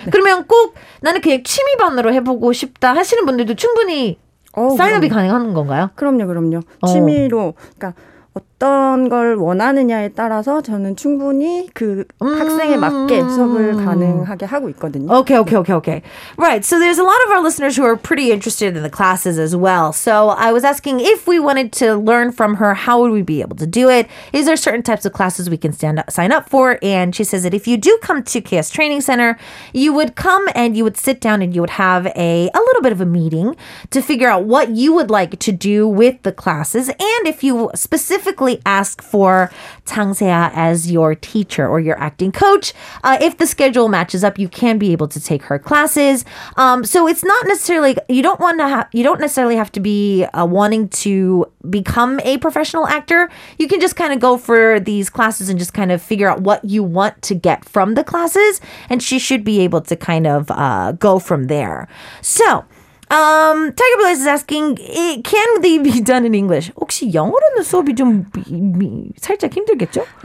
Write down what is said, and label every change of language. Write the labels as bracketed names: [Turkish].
[Korean] 그러면 꼭 나는 그냥 취미반으로 해보고 싶다 하시는 분들도 충분히 사인업이 가능한 건가요? 그럼요, 그럼요. 취미로 그러니까 어떤 걸 원하느냐에 따라서 저는 충분히 그 학생에 맞게 수업을 가능하게 하고 있거든요. [English] Okay, okay, okay, okay. Right, so there's a lot of our listeners who are pretty interested in the classes as well. So I was asking if we wanted to learn from her, how would we be able to do it? Is there certain types of classes we can sign up for? And she says that if you do come to KS Training Center, you would come and you would sit down and you would have a little bit of a meeting to figure out what you would like to do with the classes. And if you specifically ask for 장세아 as your teacher or your acting coach. If the schedule matches up, you can be able to take her classes. So it's not necessarily, you don't necessarily have to be wanting to become a professional actor. You can just kind of go for these classes and just kind of figure out what you want to get from the classes. And she should be able to kind of go from there. So, Tiger Blaze is asking, can they be done in English? [Korean] 혹시 영어로는 수업이 좀 살짝 힘들겠죠?